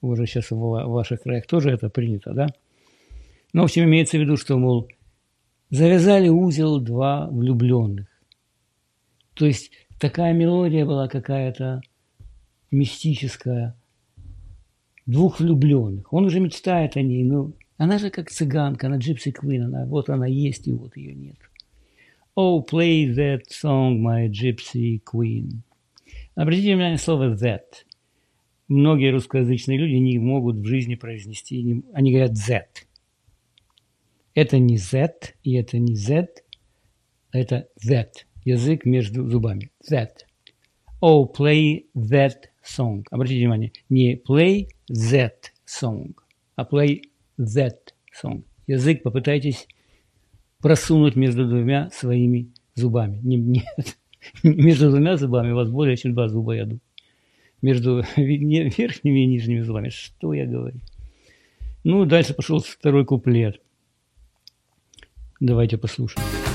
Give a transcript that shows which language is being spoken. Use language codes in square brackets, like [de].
[ru] Уже сейчас в ваших краях тоже это принято, да? Ну, в общем, имеется в виду, что, мол, завязали узел два влюбленных. То есть, такая мелодия была какая-то мистическая, двух влюбленных. Он уже мечтает о ней, но она же как цыганка, она Gypsy Queen, она, вот она есть, и вот ее нет. [en] Oh, play that song, my Gypsy Queen. [ru] Обратите внимание на слово that. Многие русскоязычные люди не могут в жизни произнести, они говорят that. Это не that, и это не that, это that. Язык между зубами. [en] That. Oh, play that song. [ru] Обратите внимание, не [en] play that song, [ru] а play that song. Язык попытайтесь просунуть между двумя своими зубами. Нет, между двумя зубами у вас более чем два зуба, я думаю. Между верхними и нижними зубами. Что я говорю? Ну, дальше пошел второй куплет. Давайте послушаем.